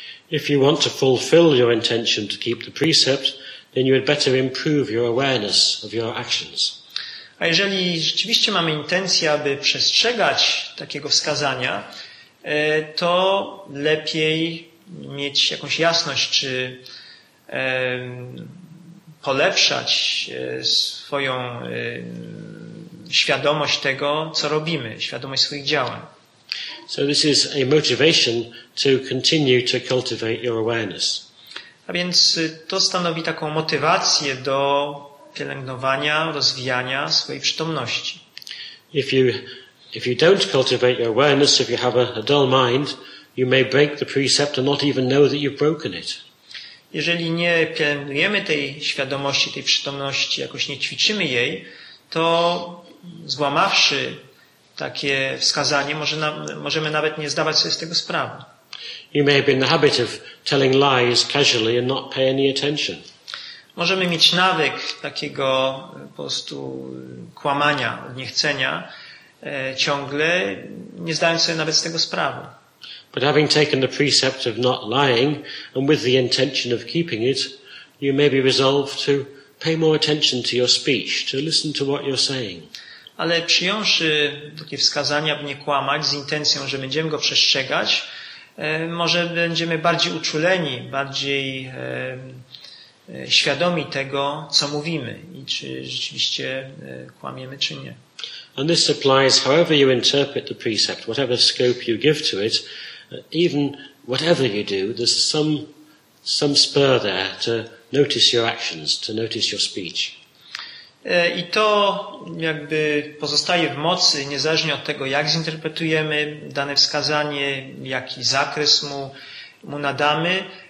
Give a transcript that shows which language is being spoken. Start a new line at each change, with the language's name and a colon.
English: If you want to fulfill your intention to keep the precept, then you had better improve your awareness of your actions.
Polish: A jeżeli rzeczywiście mamy intencję, aby przestrzegać takiego wskazania, to lepiej mieć jakąś jasność, czy polepszać swoją świadomość tego, co robimy, świadomość swoich działań.
English: So this is a motivation to continue to cultivate your awareness.
Polish: A więc to stanowi taką motywację do pielęgnowania, rozwijania swojej przytomności.
English: If you don't cultivate your awareness, if you have a dull mind, you may break the precept and not even know that you've broken it.
Polish: Jeżeli nie pielęgnujemy tej świadomości, tej przytomności, jakoś nie ćwiczymy jej, to złamawszy takie wskazanie, możemy nawet nie zdawać sobie z tego sprawy.
English: You may be in the habit of telling lies casually and not pay any attention.
Polish: Możemy mieć nawyk takiego po prostu kłamania, niechcenia ciągle, nie zdając sobie nawet z tego sprawy.
English: But having taken the precept of not lying and with the intention of keeping it, you may be resolved to pay more attention to your speech, to listen to what you're saying.
Polish: Ale przyjąwszy takie wskazania, by nie kłamać, z intencją, że będziemy go przestrzegać, może będziemy bardziej uczuleni, bardziej świadomi tego, co mówimy i czy rzeczywiście kłamiemy, czy nie.
English: And this applies however you interpret the precept, whatever scope you give to it, even whatever you do, there's some spur there to notice your actions, to notice your speech.
Polish: I to jakby pozostaje w mocy, niezależnie od tego, jak zinterpretujemy dane wskazanie, jaki zakres mu nadamy.